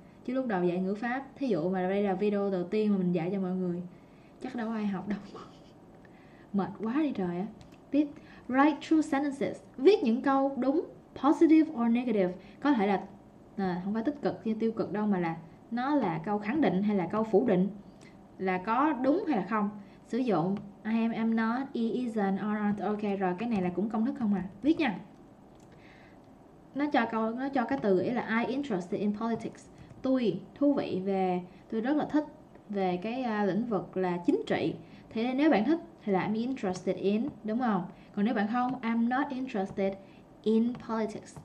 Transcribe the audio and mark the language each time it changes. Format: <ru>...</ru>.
<vi>Chứ lúc đầu dạy ngữ pháp, thí dụ mà đây là video đầu tiên mà mình dạy cho mọi người, chắc đâu ai học đâu. Mệt quá đi trời á. Tiếp,</vi> <en>write true sentences.</en> <vi>Viết những câu đúng,</vi> <en>positive or negative.</en> <vi>Có thể là không phải tích cực hay tiêu cực đâu, mà là nó là câu khẳng định hay là câu phủ định, là có đúng hay là không. Sử dụng</vi> <en>I am, am not, he isn't, or aren't.</en> <vi>Ok rồi, cái này là cũng công thức không à. Viết nha. Nó cho cái từ ý là</vi> <en>I interested in politics.</en> <vi>Tôi thú vị về, tôi rất là thích về cái lĩnh vực là chính trị. Thế nên nếu bạn thích thì là</vi> <en>I'm interested in,</en> <vi>đúng không? Còn nếu bạn không,</vi> <en>I'm not interested in politics.</en>